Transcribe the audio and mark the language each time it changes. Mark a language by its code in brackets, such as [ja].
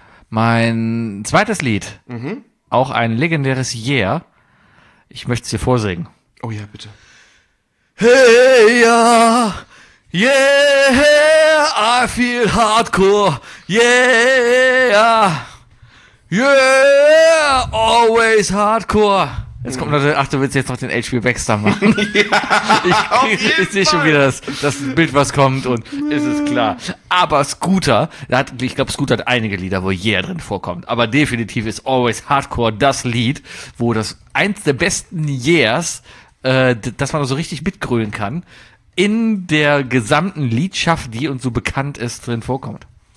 [de] Mein zweites Lied, auch ein legendäres Yeah. Ich möchte es dir vorsingen. Oh ja, bitte. [en] Hey, ja, yeah, I feel hardcore, yeah, yeah, always hardcore. [de] Jetzt kommt Leute, ach, du willst jetzt noch den H.P. Baxter machen. Ich sehe schon wieder das Bild, was kommt und ist es klar. Aber Scooter, ich glaube, Scooter hat einige Lieder, wo Yeah drin vorkommt. Aber definitiv ist Always Hardcore das Lied, wo das eins der besten Yeahs, dass man so richtig mitgrölen kann, in der gesamten Liedschaft, die uns so bekannt ist, drin vorkommt.